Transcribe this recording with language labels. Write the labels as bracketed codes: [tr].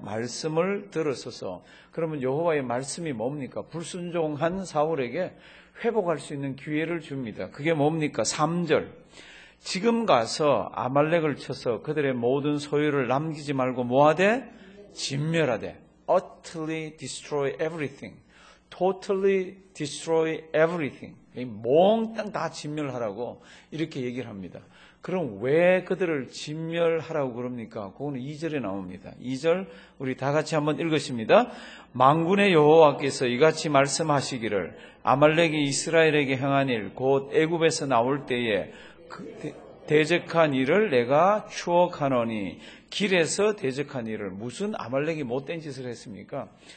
[ko] 말씀을 들었어서. 그러면 여호와의 말씀이 뭡니까? 불순종한 사울에게 회복할 수 있는 기회를 줍니다. 그게 뭡니까? 3절 지금 가서 아말렉을 쳐서 그들의 모든 소유를 남기지 말고 뭐하되? 진멸하되. [en] Utterly destroy everything. Totally destroy everything. [ko] 몽땅 다 진멸하라고 이렇게 얘기를 합니다. 그럼 왜 그들을 진멸하라고 그럽니까? 그거는 2절에 나옵니다. 2절 우리 다 같이 한번 읽으십니다. 만군의 여호와께서 이같이 말씀하시기를 아말렉이 이스라엘에게 행한 일 곧 애굽에서 나올 때에 그 대적한 일을 내가 추억하노니 길에서 대적한 일을 무슨 아말렉이 못된 짓을 했습니까?